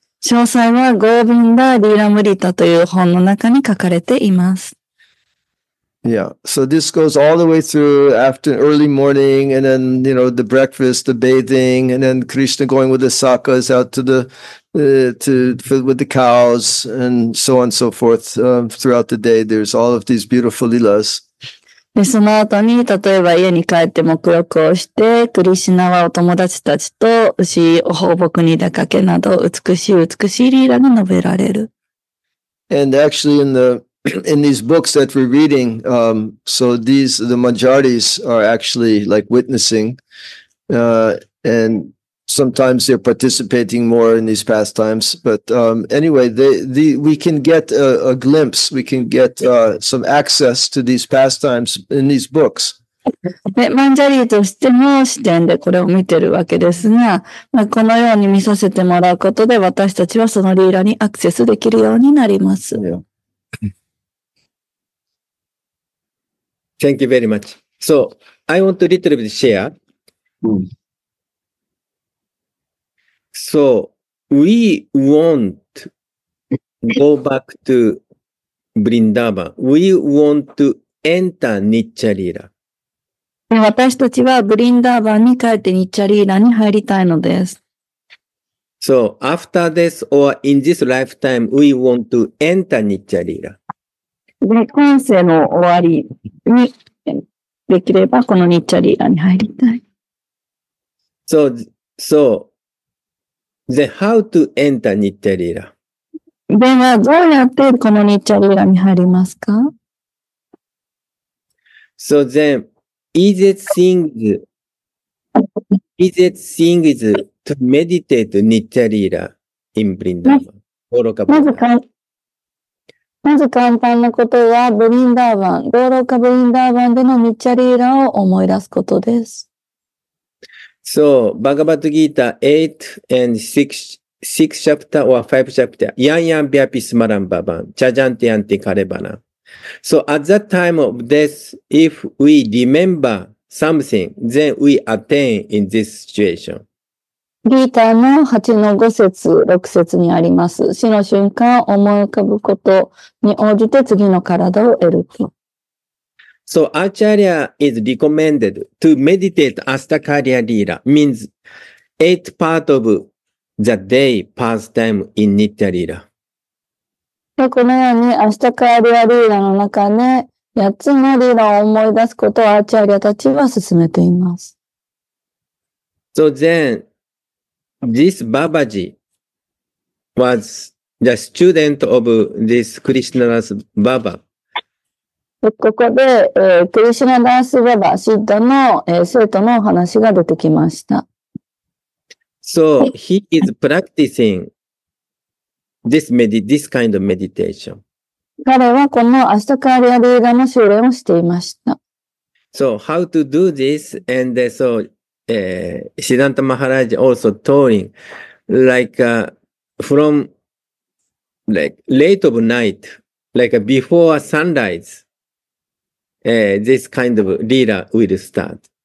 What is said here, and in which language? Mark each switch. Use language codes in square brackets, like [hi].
[ja] 詳細は、ゴヴィンダ・リラムリタという本の中に書かれています。 [en] Yeah, so this goes all the way through after early morning and then, you know, the breakfast, the bathing, and then Krishna going with the sakas out to the, with the cows and so on and so forth. Throughout the day, there's all of these beautiful lilas. [ja] で、その後に、例えば家に帰って沐浴をして、クリシナはお友達たちと牛、放牧に出かけなど、美しいリーラが述べられる。 [en] And actually in these books that we're reading, so these, the Manjaris are actually like witnessing, and sometimes they're participating more in these pastimes. But, anyway, we can get a glimpse. We can get, some access to these pastimes in these books. [ja] で、マンジャリーとしての視点でこれを見てるわけですが、まあ、このように見させてもらうことで私たちはそのリーラにアクセスできるようになります。 [en] Yeah. Thank you very much. So, I want to little bit share.、So, we want go back to Vrindavan. We want to enter Nitya-lila. [ja] 私たちはブリンダーバンに帰ってニッチャリーラに入りたいのです。 [en] So, after this or in this lifetime, we want to enter Nitya-lila. [ja] で、今世の終わりに、できれば、このニッチャリーラに入りたい。 [en] So, then how to enter ニッチャリーラ？ [ja] では、どうやってこのニッチャリーラに入りますか？ [en] So then, easiest thing is to meditate ニッチャリーラ in Vrindavan. [ja] まずか。まず簡単なことは、ブリンダーバン、ゴーロカブリンダーバンでのニッチャリーラを思い出すことです。 [en] So, Bhagavad Gita 8 and 6 chapter or 5 chapter, [sa] Yanyan Vyapi Smaran Bhavan, Chajanti Anti Karebana. [en] So, at that time of death, if we remember something, then we attain in this situation. [ja] ギーターの8の5節、6節にあります。死の瞬間を思い浮かぶことに応じて次の体を得ると。 [en] So, Acharya is recommended to meditate Astakarya Leela means 8 part of the day pastime in Nitya Leela. [ja] このように、Astakarya Leelaの中で、ね、八つの理論を思い出すことをアーチャリアたちは進めています。 [en] So then, this Babaji was the student of this Krishnadas Baba. [ja] ここで、クリシナダースババ、シッダの、生徒のお話が出てきました。 [en] So he is practicing this kind of meditation. [ja] 彼はこのアシタカーリアリーガの修練をしていました。 [en] So how to do this? And so, Siddhanta Maharaj also told him, like, from, like, late of night, like, before sunrise,this kind of lila will start.